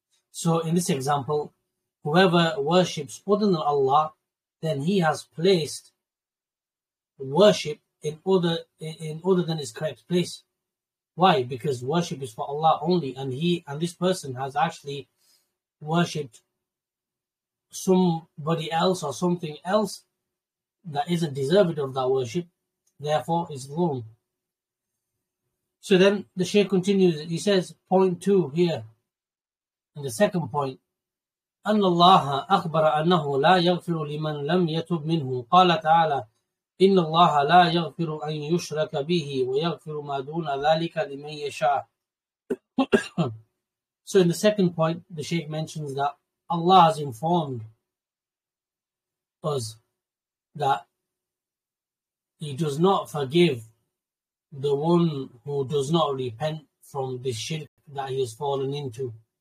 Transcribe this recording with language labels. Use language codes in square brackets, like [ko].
[en] So in this example, whoever worships other than Allah, then he has placed worship in other than its correct place. Why? Because worship is for Allah only, and he and this person has actually worshipped somebody else or something else that isn't deserving of that worship, therefore is dhulm. So then the Shaykh continues, he says, point two here, and the second point, [ar] أَنَّ اللَّهَ أَخْبَرَ أَنَّهُ لَا يَغْفِرُ لِمَنْ لَمْ يَتُبْ مِنْهُ قَالَ تَعَالَى إِنَّ اللَّهَ لَا يَغْفِرُ أَنْ يُشْرَكَ بِهِ وَيَغْفِرُ مَا دُونَ ذَلِكَ لِمَنْ يَشَاءَ. [en] So in the second point, the Shaykh mentions that Allah has informed us that He does not forgive the one who does not repent from the shirk that he has fallen into.